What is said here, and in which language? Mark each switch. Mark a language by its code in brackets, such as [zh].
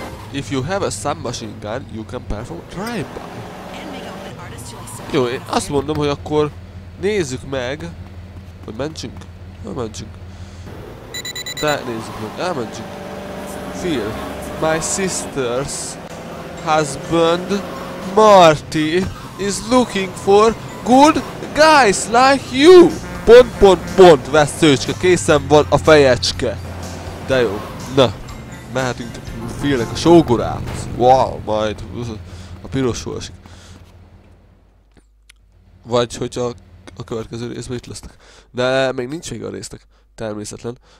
[en] If you have a submachine gun, you can perform drive-by. [hu] Jó, én azt mondom, hogy akkor nézzük meg... Hogy mentsünk? Hogy mentsünk? De nézzük meg, elmentsünk. [en] Phil, my sister's husband, Marty, is looking for good guys like you. [hu] Pont, pont, pont, veszőcske, készen van a fejecske. De jó, na, mehetünk Phil-nek a sógorához. Wow, majd a piros esik. Vagy hogyha a következő részben itt lesznek. De még nincs még a résznek, természetlen.